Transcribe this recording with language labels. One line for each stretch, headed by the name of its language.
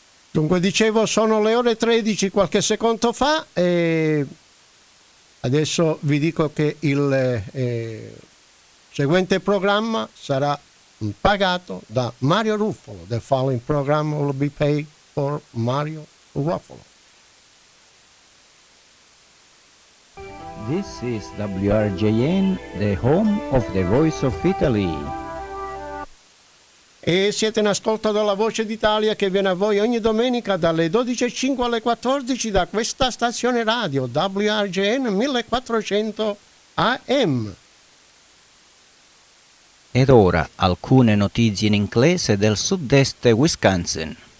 Italian: Dunque, dicevo, sono le ore 13 qualche secondo fa e adesso vi dico che il seguente programma sarà pagato da Mario Ruffolo.
English: The following program will be paid for Mario Ruffolo. This is WRJN, the home of the Voice of Italy.
Italian: E siete in ascolto della Voce d'Italia che viene a voi ogni domenica dalle 12.05 alle 14 da questa stazione radio WRJN 1400 AM. Ed ora alcune notizie in inglese del sud-est Wisconsin.